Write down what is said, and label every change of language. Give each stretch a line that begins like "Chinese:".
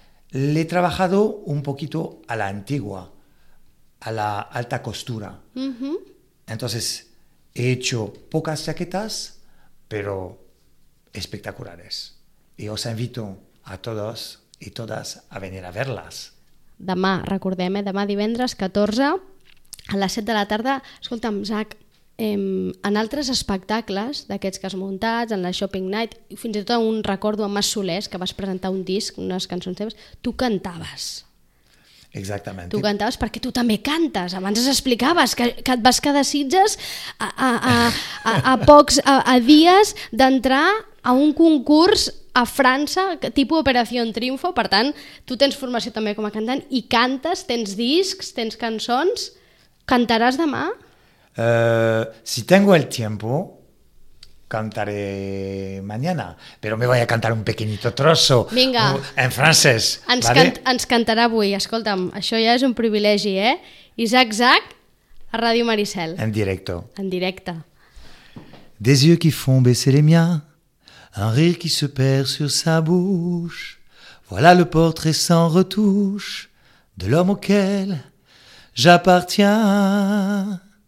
Spanish: Le he trabajado un poquito a la antigua, a la alta costura. Entonces, he hecho pocas chaquetas, pero espectaculares. Y os invito a todos y todas a venir a verlas.
Catalan: Demà, recordem, demà divendres 14 a les 7 de la tarda. Escolta'm, Zac, en altres espectacles d'aquests que has muntat, en la Shopping Night, fins i tot un recordo amb Mas Solés, que vas presentar un disc, unes cançons teves, tu cantaves. Exactament. Tu cantaves perquè tu també cantes. Abans es explicaves que et vas quedar a Sitges a pocs dies d'entrar a un concurs a França, tipus Operació Triunfo, per tant, tu tens formació també com a cantant i cantes, tens discs, tens cançons, cantaràs demà?
Spanish: Si tengo el tiempo, cantaré mañana, pero me voy a cantar un pequeñito trozo.
Catalan: Vinga. En francès. Ens cantarà avui, escolta'm, això ja és un privilegi, eh? Isaac Zac, a Ràdio Maricel.
Spanish: En directo.
Catalan: En directe.
French: Des yeux qui font baisser les miens, un rire qui se perd sur sa bouche, voilà le portrait sans retouche de l'homme auquel j'appartiens.